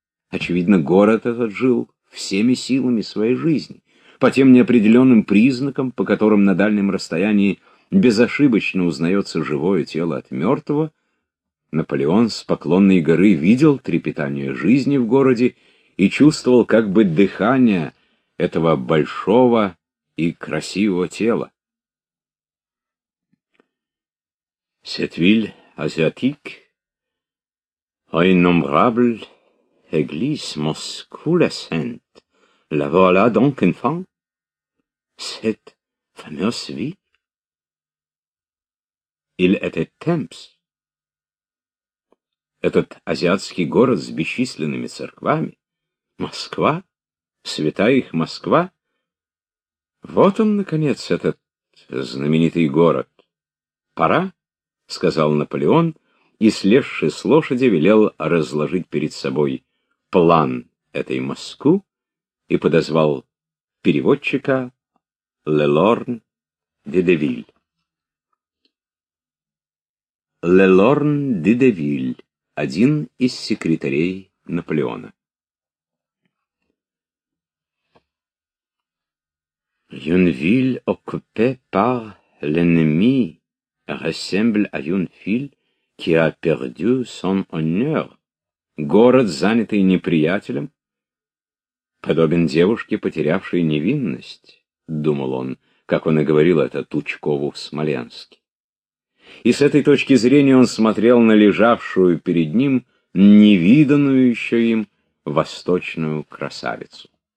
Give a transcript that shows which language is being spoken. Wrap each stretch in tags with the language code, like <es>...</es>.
<ru>Очевидно, город этот жил всеми силами своей жизни, по тем неопределенным признакам, по которым на дальнем расстоянии безошибочно узнается живое тело от мертвого. Наполеон с Поклонной горы видел трепетание жизни в городе и чувствовал как бы дыхание этого большого и красивого тела.</ru> <fr>Cette ville asiatique a innombrable église Moscou la Sainte. La voilà donc enfin cette fameuse ville. Il était temps.</fr> <ru>Этот азиатский город с бесчисленными церквами, Москва, святая их Москва, вот он, наконец, этот знаменитый город. Пора, — сказал Наполеон, и, слезши с лошади, велел разложить перед собой план этой Москвы и подозвал переводчика Лелорн де Девиль. Лелорн де Девиль — один из секретарей Наполеона.</ru> <fr>Une ville occupée par l'ennemi ressemble à une ville qui a perdu son honneur.</fr> <ru>Город, занятый неприятелем, подобен девушке, потерявшей невинность, думал он, как он и говорил это Тучкову в Смоленске. И с этой точки зрения он смотрел на лежавшую перед ним невиданную еще им восточную красавицу.</ru>